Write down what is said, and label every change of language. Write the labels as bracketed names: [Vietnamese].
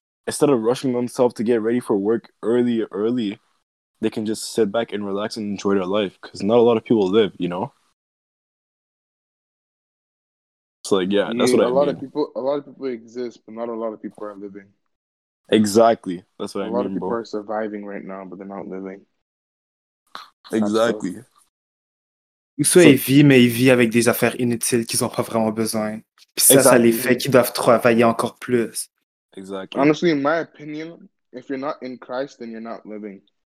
[English] Instead of rushing themselves to get ready for work early, they can just sit back and relax and enjoy their life. Because not a lot of people live, you know? So, like, yeah, that's what I mean. A lot of people exist, but not a lot of people are living. Exactly. That's what I mean, bro. A lot of people are surviving right now, but they're not living. Exactly. [French] Ou soit ils vivent, mais ils vivent avec des affaires inutiles qu'ils n'ont pas vraiment besoin. Puis ça, ça les fait qu'ils doivent travailler encore plus. [English] Exactly. Honestly, in my opinion, if you're not in Christ, then you're not living.